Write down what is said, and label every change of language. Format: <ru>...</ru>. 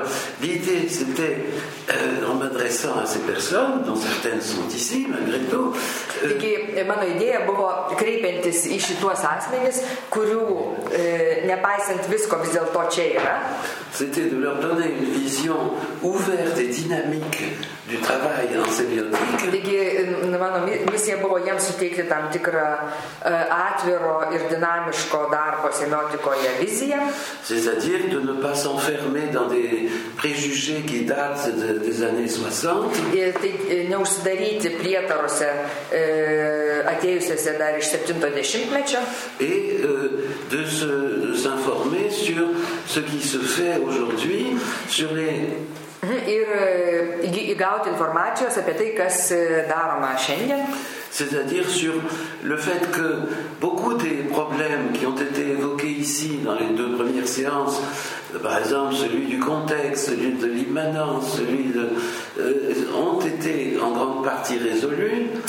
<fr>Alors, l'idée, c'était, en m'adressant à ces personnes, dont certaines sont ici, malgré tout.</fr> <lt>Taigi, mano idėja buvo kreipiantis į šituos asmenis, kurių, nepaisant visko, vis dėlto čia yra.</lt> <fr>C'était de leur donner une vision ouverte et dynamique du travail en sémiotique.</fr> <lt>Taigi, mano misija buvo jiems suteikti tam tikrą atviro ir dinamiško darbo semiotikoje vizija.</lt> <fr>C'est-à-dire de ne pas s'enfermer dans des préjugés qui datent des années 60.</fr> <lt>Tai neužsidaryti prietaruose atėjusiuose dar iš 70-mečio.</lt> <fr>Et de s'informer sur ce qui se fait aujourd'hui sur les</fr> <lt>ir įgauti informacijos apie tai, kas daroma šiandien.</lt> <fr>C'est-à-dire sur le fait que beaucoup des problèmes qui ont été évoqués ici dans les deux premières séances, par exemple celui du contexte, celui de l'immanence, celui de ont été en grande partie résolus.</fr>